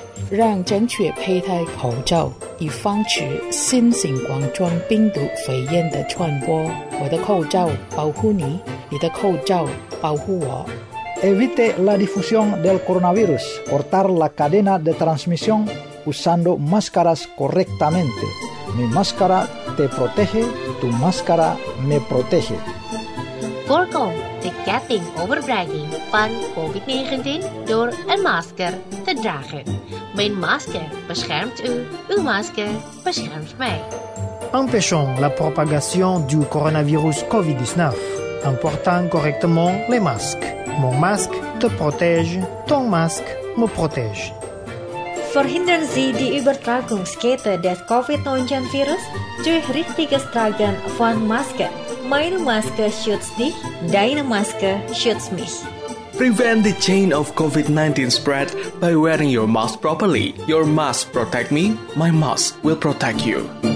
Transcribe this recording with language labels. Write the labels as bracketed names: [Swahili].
[Chinese] 让正确佩戴口罩，以防止新型冠状病毒肺炎的传播。我的口罩保护你，你的口罩保护我。 [Spanish] Evite la difusión del coronavirus, cortar la cadena de transmisión usando máscaras correctamente. Mi máscara te protege, tu máscara me protege. [Dutch] Forcom, de ketting overbrenging van COVID-19 door een masker te dragen. Mijn masker beschermt u, uw masker beschermt mij. [French] Empêchons la propagation du coronavirus COVID-19 en portant correctement les masques. Mon masque te protège, ton masque me protège. [German] Verhindern Sie die Übertragungskette des COVID-19 Virus durch richtiges Tragen von Maske. Meine Maske schützt dich, deine Maske schützt mich. [English] Prevent the chain of COVID-19 spread by wearing your mask properly. Your mask protect me, my mask will protect you.